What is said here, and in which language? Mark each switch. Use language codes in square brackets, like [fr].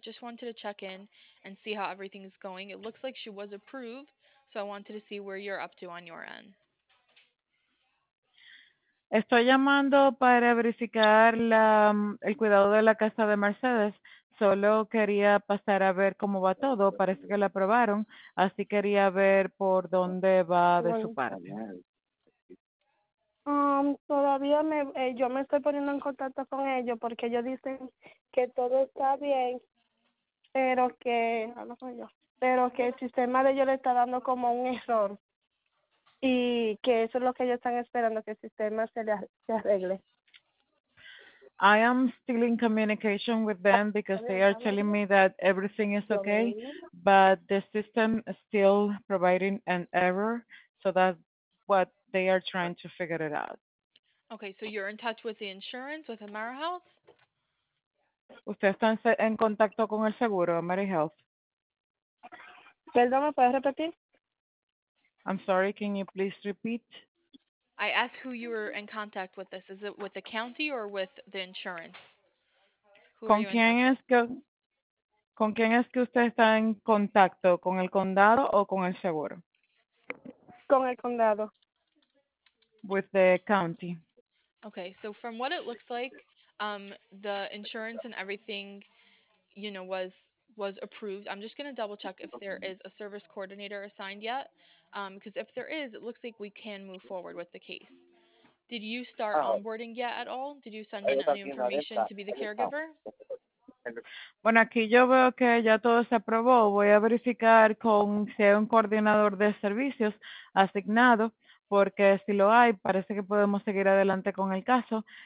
[en] Just wanted to check in and see how everything is going. It looks like she was approved, so I wanted to see where you're up to on your end. [es] Estoy llamando para verificar el cuidado de la casa de Mercedes. Solo quería pasar a ver cómo va todo. Parece que la aprobaron, así quería ver por dónde va de su parte. Todavía yo me estoy poniendo en contacto con ellos porque ellos dicen que todo está bien, pero que el sistema de ellos le está dando como un error y que eso es lo que ellos están esperando, que el sistema se arregle. [en] I am still in communication with them because they are telling me that everything is okay, but the system is still providing an error, so that's what they are trying to figure it out. Okay, so you're in touch with the insurance, with AmeriHealth? [es] Usted está en contacto con el seguro, AmeriHealth. Perdón, ¿me puedes repetir? [en] I'm sorry, can you please repeat? I asked who you were in contact with this. Is it with the county or with the insurance? [es] ¿Con quién es que usted está en contacto? ¿Con el condado o con el seguro? Con el condado. [en] With the county. Okay, so from what it looks like, the insurance and everything, you know, was approved. I'm just going to double check if there is a service coordinator assigned yet, because if there is, it looks like we can move forward with the case. Did you start onboarding yet at all? Did you send in any information to be the caregiver? [es] Bueno, aquí yo veo que ya todo se aprobó. Voy a verificar con si hay un coordinador de servicios asignado. Porque si lo hay, parece que podemos seguir adelante con el caso.